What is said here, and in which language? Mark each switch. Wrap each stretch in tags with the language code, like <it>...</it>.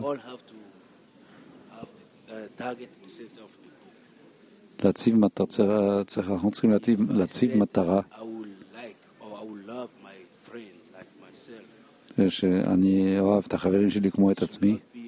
<en>All have to have a target in the center of the group.</en> <he>להציב מטרה, אנחנו צריכים להציב מטרה.</he> <en>I would like or I would love my friend like myself.</en> <he>שאני אוהב את החברים שלי כמו את עצמי.</he>